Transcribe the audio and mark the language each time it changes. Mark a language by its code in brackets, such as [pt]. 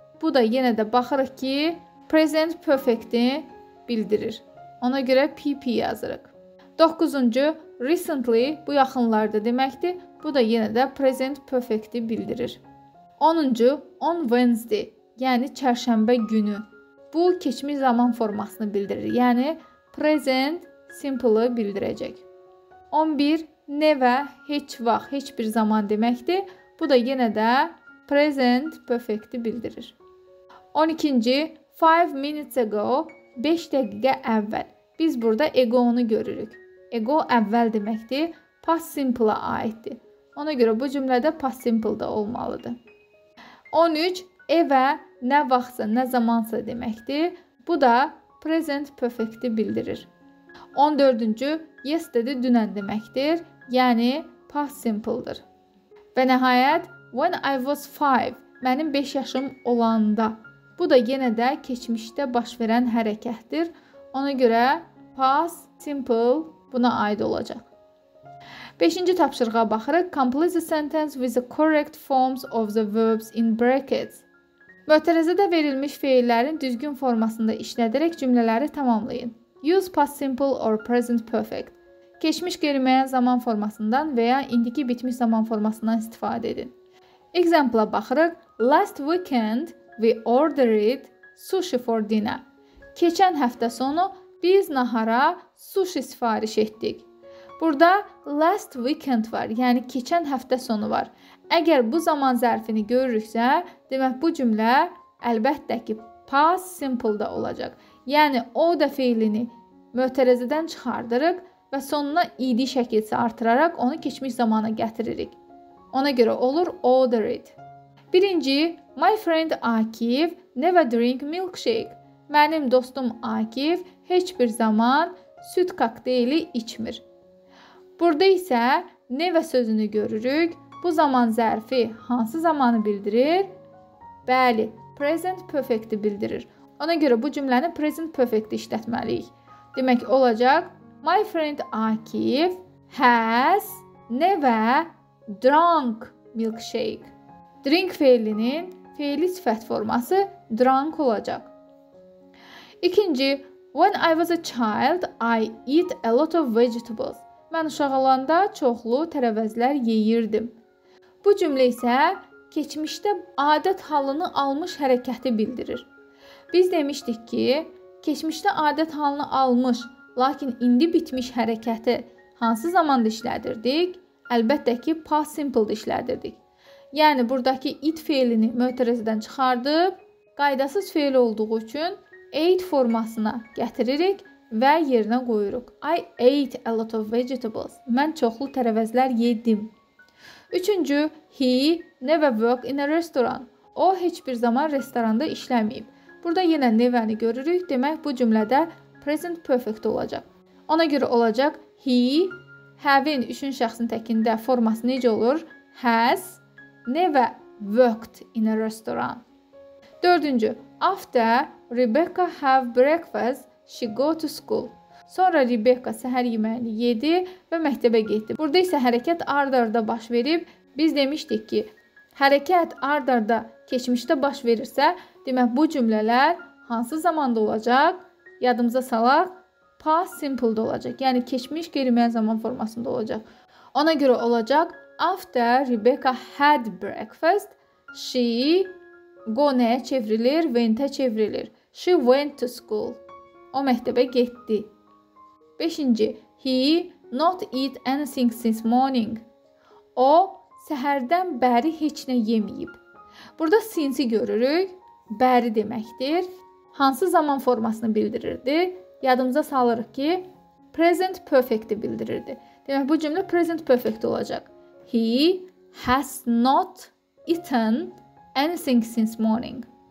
[az] Bu da yenə də baxırıq ki, present perfect-i bildirir. Ona görə PP yazırıq. 9-cu, recently, bu yaxınlarda deməkdir. Bu da yenə də present perfect-i bildirir. 10-cu, [en] on Wednesday, [az] yəni çərşənbə günü. Bu, keçmiş zaman formasını bildirir. Yəni, present simple-ı bildirəcək. 11, never, heç vaxt, heç bir zaman deməkdir. Bu da yenə də present perfect-i bildirir. 12-ci, [en] 5 minutes ago, [az] 5 dəqiqə əvvəl. Biz burada ego-nu görürük. Ego əvvəl deməkdir, past simple-a aiddir. Ona görə bu cümlədə past simple-da olmalıdır. 13, evə nə vaxtsa, nə zamansa deməkdir. Bu da present perfect-i bildirir. 14-cü, yesterday dünən deməkdir. Yəni, past simple-dır. Və nəhayət, [en] when I was 5, [az] mənim 5 yaşım olanda. Bu da yenə də keçmişdə baş verən hərəkətdir. Ona görə, past simple buna aid olacaq. 5-ci tapşırığa baxırıq. [en] Complete the sentence with the correct forms of the verbs in brackets. [az] Mötərizədə verilmiş feillərin düzgün formasında işlədərək cümlələri tamamlayın. [en] Use past simple or present perfect. [az] Keçmiş qeyri-müəyyən zaman formasından və ya indiki bitmiş zaman formasından istifadə edin. Example-a baxırıq. [en] Last weekend we ordered sushi for dinner. [az] Keçən həftə sonu biz nahara sushi sifariş etdik. Burada last weekend var, yəni keçən həftə sonu var. Əgər bu zaman zərfini görürüksə, demək bu cümlə əlbəttə ki, past simple-da olacaq. Yəni, o da feilini mötərizədən çıxardırıq və sonuna ed şəkilsi artıraraq onu keçmiş zamana gətiririk. Ona görə olur ordered. [en] 1-ci, my friend Akif never drink milkshake. [az] Mənim dostum Akif heç bir zaman süd kokteyli içmir. Burada isə never sözünü görürük. Bu zaman zərfi hansı zamanı bildirir? Bəli, present perfect-i bildirir. Ona görə bu cümləni present perfect-i işlətməliyik. Demək olacaq, [en] my friend Akif has never drunk milkshake. [az] Drink feilinin feili sifət forması drunk olacaq. [en] 2-ci, when I was a child, I eat a lot of vegetables. [az] Mən uşaq olanda çoxlu tərəvəzlər yeyirdim. Bu cümlə isə keçmişdə adət halını almış hərəkəti bildirir. Biz demişdik ki, keçmişdə adət halını almış, lakin indi bitmiş hərəkəti hansı zamanda işlədirdik? Əlbəttə ki, past simple-də işlədirdik. Yəni, buradakı it feilini mötərizədən çıxardıb, qaydasız feil olduğu üçün ate formasına gətiririk. Və yerinə qoyuruq. [en] I ate a lot of vegetables. [az] Mən çoxlu tərəvəzlər yedim. [en] 3-cü, he never worked in a restaurant. [az] O, heç bir zaman restoranda işləməyib. Burada yenə never-ni görürük. Demək, bu cümlədə present perfect olacaq. Ona görə olacaq, he, having, üçün şəxsin təkində forması necə olur? [en] Has never worked in a restaurant. 4-cü, after Rebecca have breakfast, she go to school. [az] Sonra Rebecca səhər yeməyini yedi və məktəbə getdi. Burada isə hərəkət ard-arda baş verib. Biz demişdik ki, hərəkət ard-arda keçmişdə baş verirsə, demək bu cümlələr hansı zamanda olacaq? Yadımıza salaq, past simple-də olacaq. Yəni, keçmiş qeyri-müəyyən zaman formasında olacaq. Ona görə olacaq, [en] after Rebecca had breakfast, she go [az] nəyə çevrilir? Went-ə çevrilir. [en] She went to school. [az] O məktəbə getdi. [en] 5-ci, he not eat anything since morning. [az] O, səhərdən bəri heç nə yeməyib. Burada since-i görürük. bəri deməkdir. Hansı zaman formasını bildirirdi? Yadımıza salırıq ki, present perfect-i bildirirdi. Demək bu cümlə present perfect olacaq. [en] He has not eaten anything since morning.